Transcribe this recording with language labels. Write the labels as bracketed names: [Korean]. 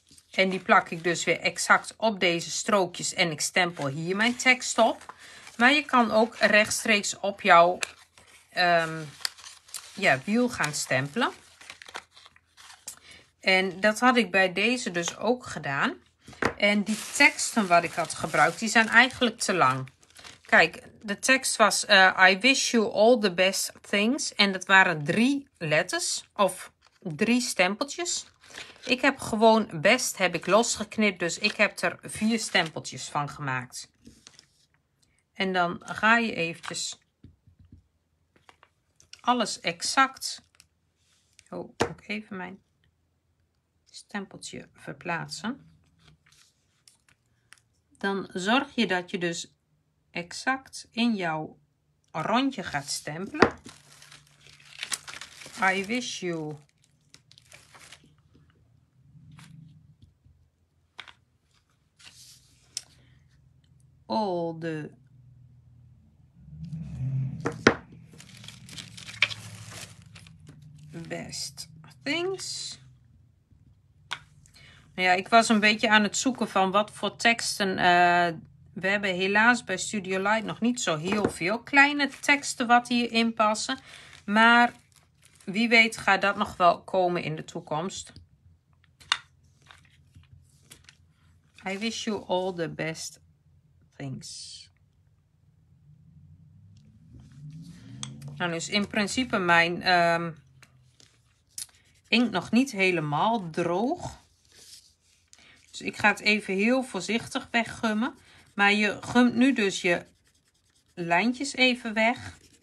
[Dutch] En die plak ik dus weer exact op deze strookjes en ik stempel hier mijn tekst op. Maar je kan ook rechtstreeks op jouw wiel gaan stempelen. En dat had ik bij deze dus ook gedaan. En die teksten wat ik had gebruikt, die zijn eigenlijk te lang. Kijk, de tekst was [English] I wish you all the best things. [Dutch] En dat waren 3 letters of 3 stempeltjes. Ik heb gewoon best heb ik losgeknipt, dus ik heb er 4 stempeltjes van gemaakt. En dan ga je eventjes alles exact. Oh, ook even mijn stempeltje verplaatsen. Dan zorg je dat je dus exact in jouw rondje gaat stempelen. [English] I wish you all the best things. [Dutch] Nou ja, ik was een beetje aan het zoeken van wat voor teksten. We hebben helaas bij Studio Light nog niet zo heel veel kleine teksten wat hierin passen. Maar wie weet gaat dat nog wel komen in de toekomst. [English] I wish you all the best things. [Dutch] Nou, dus in principe mijn inkt nog niet helemaal droog. Dus ik ga het even heel voorzichtig weggummen. Maar je gumt nu dus je lijntjes even weg.